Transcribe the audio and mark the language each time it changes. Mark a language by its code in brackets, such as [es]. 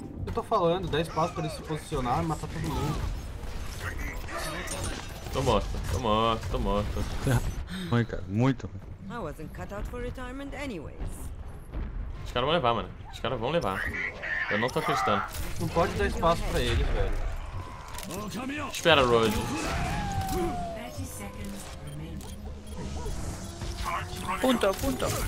[pt] Eu tô falando, 10 passos pra ele se posicionar e matar todo mundo. Tô morto, tô morto, tô morto. Ruim, cara. Muito. [en] I wasn't cut out for retirement anyways. [pt] Os caras vão levar, mano. Os caras vão levar. Eu não tô acreditando. Não pode dar espaço pra ele, velho. Espera, Road. [es] Punto, punto.